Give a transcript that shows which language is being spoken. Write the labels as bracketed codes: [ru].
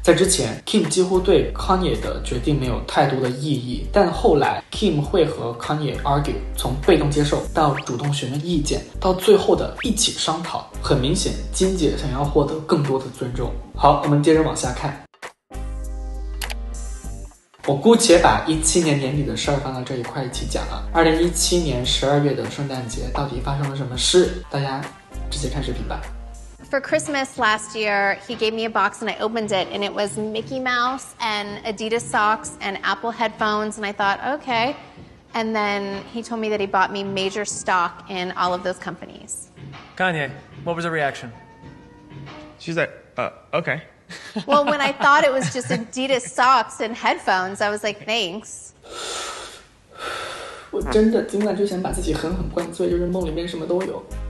[zh] 在之前 Kim 几乎对 Kanye 的决定没有太多的异议，但后来 Kim 会和 Kanye argue， 从被动接受到主动询问意见，到最后的一起商讨，很明显金姐想要获得更多的尊重。好，我们接着往下看。我姑且把17年年底的事儿放到这一块一起讲了。 2017年12月的圣诞节到底发生了什么事，大家直接看视频吧。 [en] For Christmas last year, he gave me a box and I opened it and it was Mickey Mouse and Adidas socks and Apple headphones and I thought, okay. And then he told me that he bought me major stock in all of those companies. Kanye, what was her reaction? She's like, okay. Well, when I thought it was just Adidas socks and headphones, I was like, thanks. [zh] 我真的今晚就想把自己狠狠灌醉，就是梦里面什么都有。